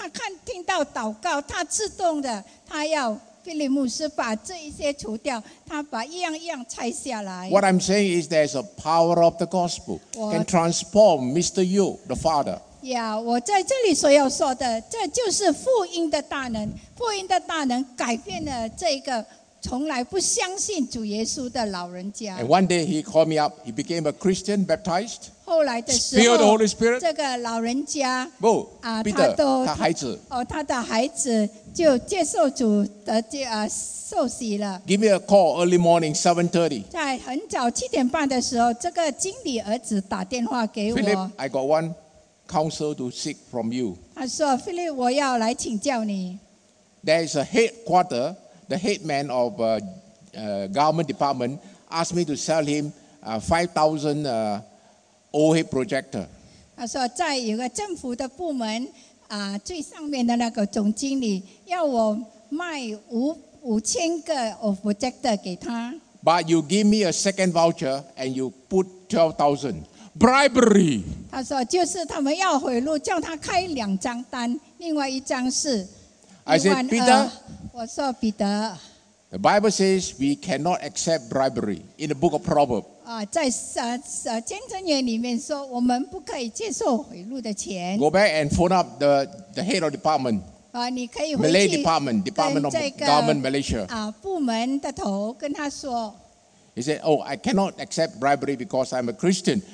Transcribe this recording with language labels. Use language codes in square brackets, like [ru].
[zh] 这个老爸爸还没有信主,他看,听到祷告,他自动的,他要 菲利牧师把这一些除掉, 他把一样一样拆下来。 [en] What I'm saying is there's a power of the gospel can transform Mr. Yu, the father. [zh] Yeah, 我在这里所要说的, 这就是福音的大能, 福音的大能改变了这个从来不相信主耶稣的老人家。 [en] And one day he called me up, he became a Christian, baptized, [zh] 后来的时候, [en] filled the Holy Spirit. [zh] 这个老人家, Peter, 他孩子, 他的孩子, 就接受主的, 受洗了。 [en] Give me a call early morning, 7:30. [zh] 在很早7:30的时候, 这个经理儿子打电话给我。 [en] Philip, I got one counsel to seek from you. [zh] 他说, Philip, 我要来请教你。 [en] There is a headquarter, the headman of a government department asked me to sell him 5,000 overhead projector. [zh] 他说在有个政府的部门, 最上面的那个总经理要我卖五千个 of projector 给他。 [en] But you give me a second voucher and you put 12,000. Bribery! [zh] 他说就是他们要贿赂,叫他开两张单, 另外一张是, [en] I said, Peter, [zh] 我说, Peter, [en] the Bible says we cannot accept bribery in the book of Proverbs. [zh] 在《箴言》里面说我们不可以接受贿赂的钱。 [en] Go back and phone up the head of department. [zh] 你可以回去 [en] Malay department of government Malaysia. [zh] 部门的头跟他说, [en] he said, oh, I cannot accept bribery because I'm a Christian.